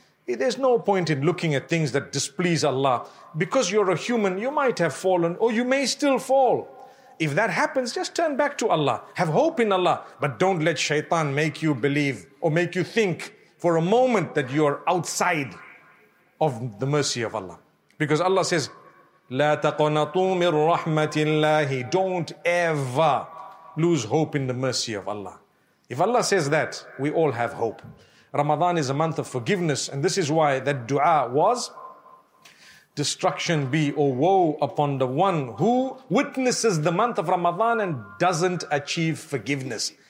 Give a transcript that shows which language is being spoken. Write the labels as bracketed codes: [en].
[en] There's no point in looking at things that displease Allah. Because you're a human, you might have fallen or you may still fall. If that happens, just turn back to Allah. Have hope in Allah. But don't let shaitan make you believe or make you think for a moment that you're outside of the mercy of Allah. Because Allah says, [ar] لَا تَقْنَطُوا مِن رَحْمَةِ اللَّهِ. [en] Don't ever lose hope in the mercy of Allah. If Allah says that, we all have hope. Ramadan is a month of forgiveness, and this is why that dua was, destruction be or woe upon the one who witnesses the month of Ramadan and doesn't achieve forgiveness.